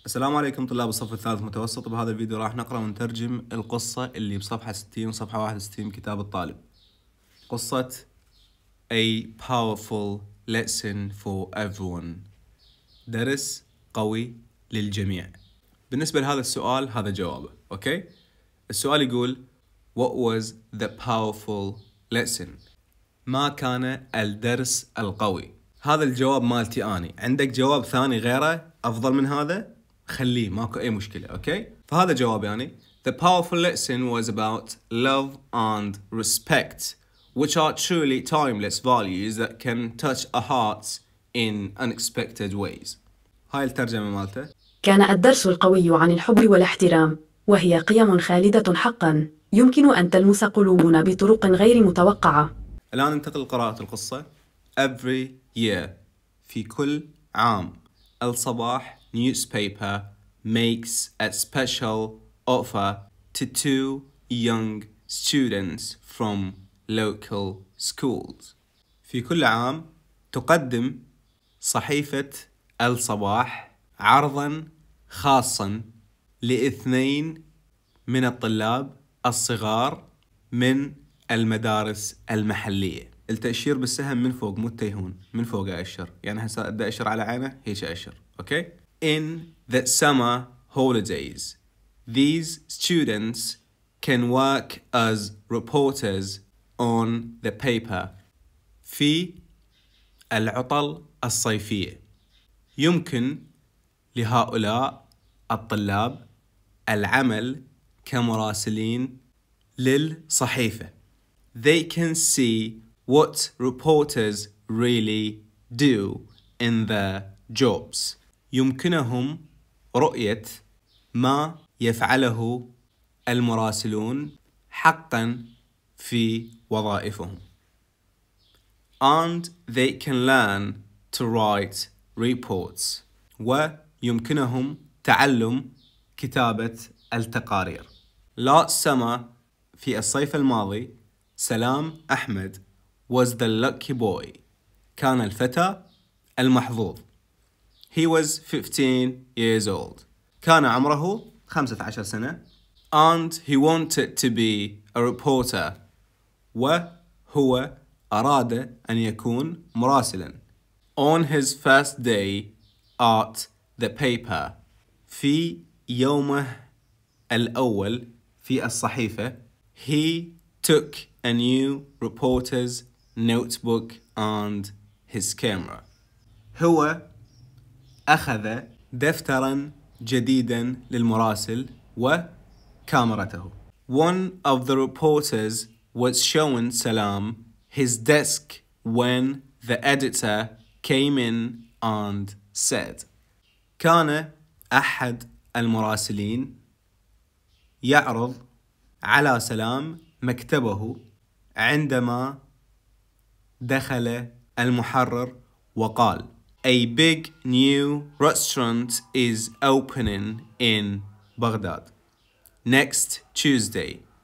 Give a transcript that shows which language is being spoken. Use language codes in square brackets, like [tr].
[ar] السلام عليكم طلاب الصف الثالث متوسط. بهذا الفيديو راح نقرأ ونترجم القصة اللي بصفحة 60 وصفحة 61 كتاب الطالب. قصة A Powerful Lesson for Everyone، درس قوي للجميع. بالنسبة لهذا السؤال هذا جوابه، أوكي؟ السؤال يقول [en] What was the powerful lesson؟ [ar] ما كان الدرس القوي؟ هذا الجواب مالتي آني. عندك جواب ثاني غيره أفضل من هذا؟ خليه، ماكو أي مشكلة، أوكي؟ فهذا جواب يعني [en] The powerful lesson was about love and respect, which are truly timeless values that can touch a heart in unexpected ways. [ar] هاي الترجمة مالته. كان الدرس القوي عن الحب والاحترام، وهي قيم خالدة حقاً يمكن أن تلمس قلوبنا بطرق غير متوقعة. الآن ننتقل لقراءة القصة. [en] Every year، [ar] في كل عام، [en] الصباح newspaper makes a special offer to two young students from local schools. [ar] في كل عام تقدم صحيفة الصباح عرضا خاصا لاثنين من الطلاب الصغار من المدارس المحلية. التأشير بالسهم من فوق، مو التيهون، من فوق أشر، يعني هسا بدي أشر على عينه، هيش أشر، أوكي؟ [en] In the summer holidays, these students can work as reporters on the paper. [ar] في العطل الصيفية يمكن لهؤلاء الطلاب العمل كمراسلين للصحيفة. [en] They can see what reporters really do in their jobs. [ar] يمكنهم رؤية ما يفعله المراسلون حقا في وظائفهم. [en] And they can learn to write reports. [ar] ويمكنهم تعلم كتابة التقارير. [en] Last summer [ar] في الصيف الماضي [en] سلام أحمد was the lucky boy. [ar] كان الفتى المحظوظ. [en] He was 15 years old. [ar] كان عمره 15 سنة. [en] And he wanted to be a reporter. [ar] وهو أراد أن يكون مراسلا. [en] On his first day at the paper. [ar] في يومه الأول في الصحيفة. [en] He took a new reporter's notebook and his camera. [ar] هو أخذ دفترا جديدا للمراسل وكاميرته. [en] One of the reporters was showing Salam his desk when the editor came in and said. [ar] كان أحد المراسلين يعرض على سلام مكتبه عندما دخل المحرر وقال [en] A big new restaurant is opening in Baghdad next Tuesday.